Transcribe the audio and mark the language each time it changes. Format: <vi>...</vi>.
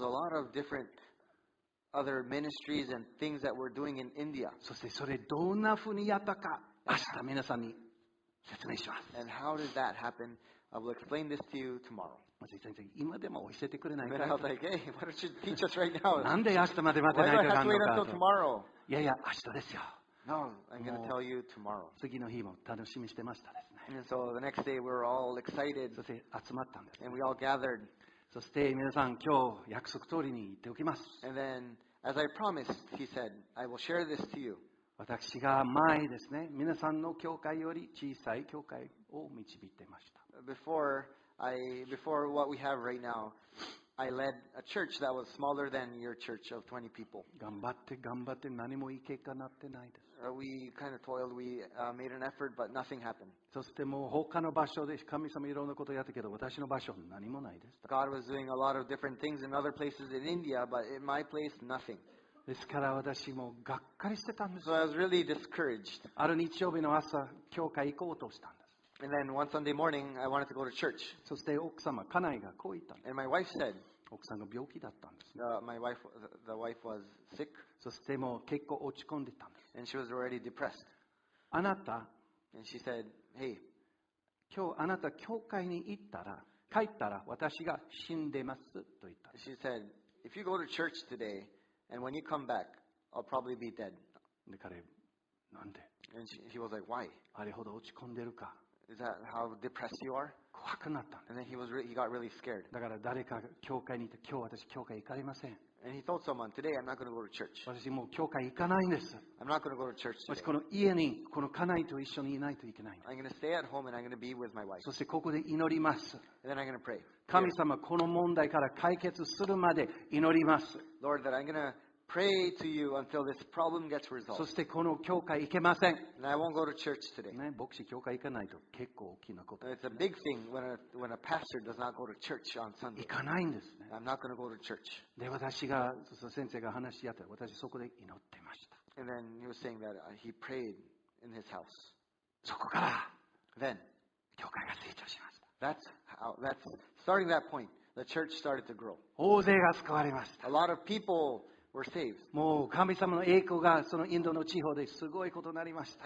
<en>a lot of different other ministries and things that we're doing in India.</en> <ja>そしてそれどんなふうにやったか、明日皆さんに説明します。</ja> <en>And how did that happen? I will explain this to you tomorrow.</en> <ja>先生今でも教えてくれないか。</ja> <en>I was like, hey, why don't you teach us right now?</en> <ja>なんで明日まで待てないかなのか。</ja> <en>Why do I have to wait until tomorrow?</en> <ja>いやいや、明日ですよ。</ja> <en>No, I'm going to tell you tomorrow.</en> <ja>次の日も楽しみしてましたですね。</ja> <en>And so the next day we're all excited.</en> <ja>そして集まったんです。</ja> <en>And we all gathered.</en> <ja>そして皆さん今日約束通りに言っておきます。</ja> <en>And then, as I promised, he said, I will share this to you.</en> <ja>私が前ですね、皆さんの教会より小さい教会を導いていました。</ja> <en>Before what we have right now, I led a church that was smaller than your church of 20 people.</en> <ja>頑張って頑張って何もいい結果になってないです。</ja> <en>We kind of toiled, we made an effort, but nothing happened.</en> <ja>そしてもう他の場所で神様いろんなことやったけど、私の場所何もないです。</ja> <en>God was doing a lot of different things in other places in India, but in my place, nothing.</en> <ja>ですから私もがっかりしてたんです。</ja> <en>So I was really discouraged.</en> <ja>ある日曜日の朝、教会行こうとしたんです。</ja> <en>And then one Sunday morning, I wanted to go to church.</en> <ja>そして奥様、家内がこう言ったんです。</ja> <en>And my wife said,</en> <ja>奥さんが病気だったんです、</ja> <en>ね。The wife was sick.</en> <ja>そしてもう結構落ち込んでたんです。</ja> <en>And she was already depressed.</en> <ja>あなた、</ja> <en>And she said, hey,</en> <ja>今日あなた教会に行ったら、帰ったら私が死んでますと言ったんです。</ja> <en>She said, if you go to church today,And when you come back, I'll probably be dead.</en> <ja>で彼、なんで?</ja> <en>And he was like, why?</en> <ja>あれほど落ち込んでるか?</ja> <en>Is that how depressed you are?</en> <ja>怖くなったんです。</ja> <en>And then he got really scared.</en> <ja>だから誰か教会に行って、今日私教会行かれません。</ja> <en>And he told someone, today I'm not going to go to church.</en> <ja>私もう教会行かないんです。</ja> <en>I'm not going to go to church today.</en> <ja>私この家に、この家内と一緒にいないといけない。</ja> <en>I'm going to stay at home and I'm going to be with my wife.</en> <ja>そしてここで祈ります。</ja> <en>And then I'm going to pray.</en> <ja>神様、この問題から解決するまで祈ります。</ja> <en>Lord, that I'm going toPray to you until this problem gets resolved.</en> <ja>そしてこの教会行けません。</ja> <en>And I won't go to church today.</en> <ja>ね、牧師教会行かないと結構大きなこと。</ja> <en>It's a big thing when a pastor does not go to church on Sunday.</en> <ja>行かないんですね。</ja> <en>I'm not going to go to church.</en> <ja>で、私が、先生が話し合ったら、私そこで祈ってました。</ja> <en>And then he was saying that he prayed in his house.</en> <ja>そこから、</ja> <en>then,</en> <ja>教会が成長しました。</ja> <en>That's starting that point, the church started to grow.</en> <ja>大勢が救われました。</ja> <en>A lot of people. We're saved.</en> <ja>もう神様の栄光がそのインドの地方ですごいことになりました。</ja>